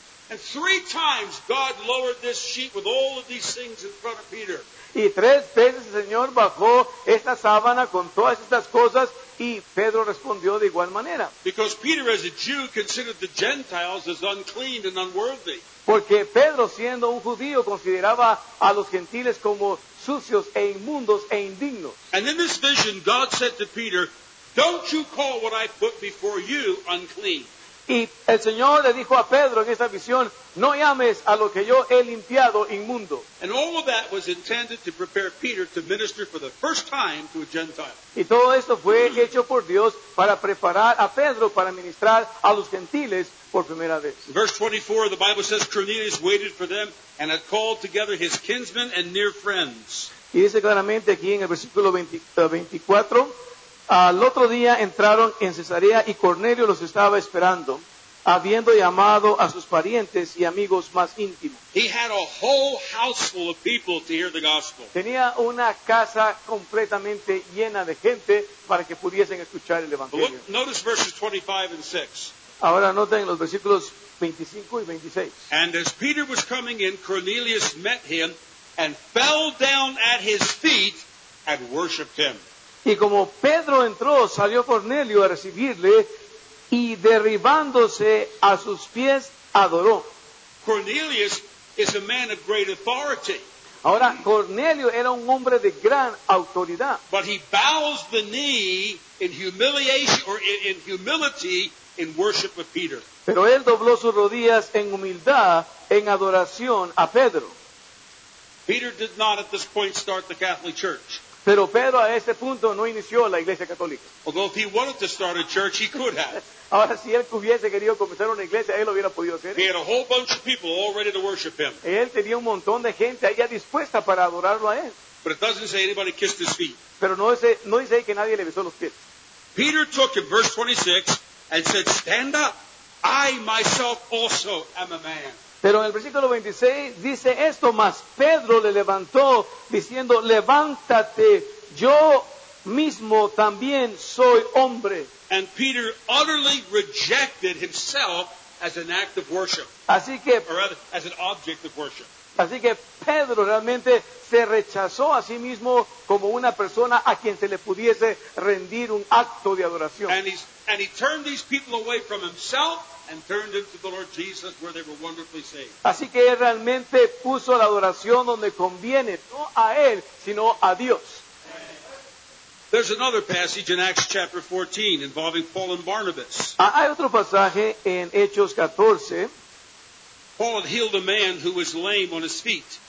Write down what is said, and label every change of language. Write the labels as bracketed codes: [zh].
[en] And three times God lowered this sheet with all of these things in front of Peter. [es] Y tres veces el Señor bajó esta sábana con todas estas cosas y Pedro respondió de igual manera. [en] Because Peter, as a Jew, considered the Gentiles as unclean and unworthy. [es] Porque Pedro, siendo un judío, consideraba a los gentiles como sucios e inmundos e indignos. [en] And in this vision, God said to Peter, don't you call what I put before you unclean. [es] Y el Señor le dijo a Pedro en esta visión, no llames a lo que yo he limpiado inmundo. [en] And all of that was intended to prepare Peter to minister for the first time to a Gentile. [es] Y todo esto fue hecho por Dios para preparar a Pedro para ministrar a los gentiles por primera vez. [en] Verse 24, the Bible says, Cornelius waited for them and had called together his kinsmen and near friends. [es] Y dice claramente aquí en el versículo 24, al otro día entraron en Cesarea y Cornelio los estaba esperando, habiendo llamado a sus parientes y amigos más íntimos. [en] He had a whole house full of people to hear the gospel. [es] Tenía una casa completamente llena de gente para que pudiesen escuchar el evangelio. [en] Look, notice verses 25 and 6. [es] Ahora noten los versículos 25 y 26. [en] And as Peter was coming in, Cornelius met him and fell down at his feet and worshipped him. [es] Y como Pedro entró, salió Cornelio a recibirle y derribándose a sus pies, adoró. [en] Cornelius is a man of great authority. [es] Ahora, Cornelio era un hombre de gran autoridad. [en] But he bows the knee in humiliation or in humility in worship of Peter. [es] Pero él dobló sus rodillas en humildad, en adoración a Pedro. [en] Peter did not at this point start the Catholic Church. [es] Pero Pedro a este punto no inició la iglesia católica. [en] Although if he wanted to start a church, he could have. [es] Ahora, si él hubiese querido comenzar una iglesia, él lo hubiera podido hacer. [en] He had a whole bunch of people all ready to worship him. [es] Él tenía un montón de gente ahí dispuesta para adorarlo a él. [en] But it doesn't say anybody kissed his feet. [es] Pero no dice que nadie le besó los pies. [en] Peter took him, verse 26, and said, stand up, I myself also am a man. [es] Pero en el versículo 26 dice esto, más Pedro le levantó diciendo, levántate, yo mismo también soy hombre. [en] And Peter utterly rejected himself as an act of worship. [es] Así que, [en] or rather, as an object of worship. [es] Así que Pedro realmente se rechazó a sí mismo como una persona a quien se le pudiese rendir un acto de adoración. [en] And he turned these people away from himself and turned them to the Lord Jesus where they were wonderfully saved. [es] Así que él realmente puso la adoración donde conviene, no a él, sino a Dios. [en] There's another passage in Acts chapter 14 involving Paul and Barnabas. [es] Hay otro pasaje en Hechos 14. [en] Paul had healed a man who was lame on his feet.